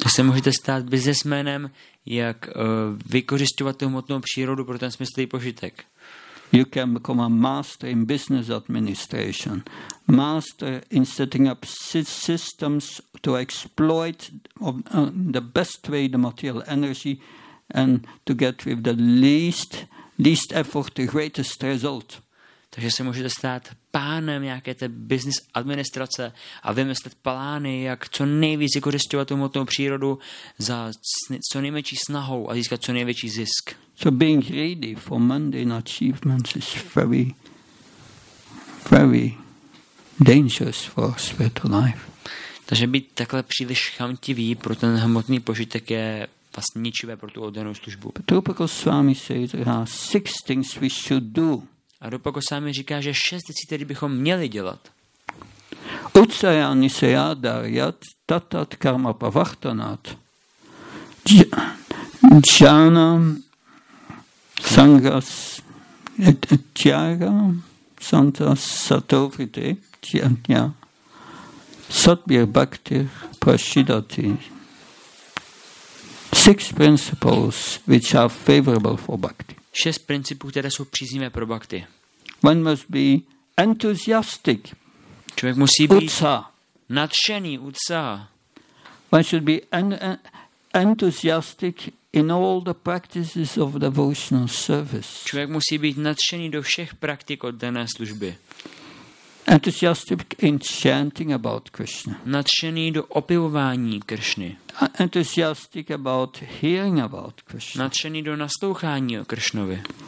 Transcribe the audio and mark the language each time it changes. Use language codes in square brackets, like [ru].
[cs] Se můžete stát businessmanem, jak vykořisťovat tu hmotnou přírodu pro ten smyslový požitek. [en] You can become a master in business administration, master in setting up systems to exploit the best way the material energy and to get with the least effort the greatest result. [cs] Takže se můžete stát pánem nějaké té business administrace a vymyslet plány, jak co nejvíc vykořisťovat tu hmotnou přírodu za co nejmenší snahou a získat co největší zisk. [en] So being greedy for mundane achievements is very, very dangerous for spiritual life. [cs] Takže být takhle příliš chamtivý pro ten hmotný požitek je vlastně ničivé pro tu oddanou službu. [en] Rupa Goswami says there are six things we should do. [cs] A Rupa Goswami říká, že šest věcí, které bychom měli dělat. Ucayani se yadaryat tatat karma pavartanat jhanam sanghas tyaga santa satovite tyanya satbir bhakti prashidati. [en] Six principles which are favorable for bhakti. [cs] Šest principů, které jsou příznivé pro bhakti. [en] One must be enthusiastic. [cs] Člověk musí být utsa. Nadšený, utsa. [en] One should be enthusiastic in all the practices of devotional service. [cs] Člověk musí být nadšený do všech praktik oddané služby. [en] Enthusiastic in chanting about Krishna. [cs] Nadšený do opivování Kršny. [en] Enthusiastic about hearing about Krishna. [cs] Nadšený do naslouchání o Kršnovi.